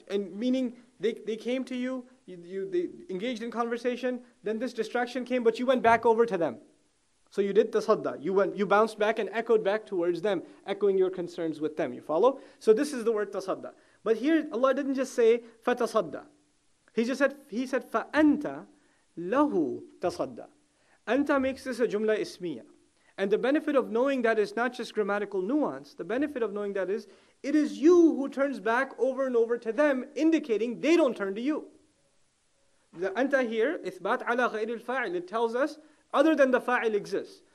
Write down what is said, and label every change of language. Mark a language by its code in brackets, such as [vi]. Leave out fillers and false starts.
[en] And meaning they came to you, they engaged in conversation, then this distraction came, but you went back over to them. So you did tasadda. You bounced back and echoed back towards them, echoing your concerns with them. You follow? So this is the word tasadda. But here Allah didn't just say fatasadda. He said [ar] فَأَنْتَ لَهُ تَصَدَّى. [en] أَنْتَ makes this a [ar] جُمْلَ إِسْمِيَّة. [en] And the benefit of knowing that is not just grammatical nuance. The benefit of knowing that is, it is you who turns back over and over to them, indicating they don't turn to you. The أَنْتَ here, [ar] إِثْبَاتْ عَلَى غَيْرِ الْفَاعِلِ, [en] it tells us, other than the fa'il exists.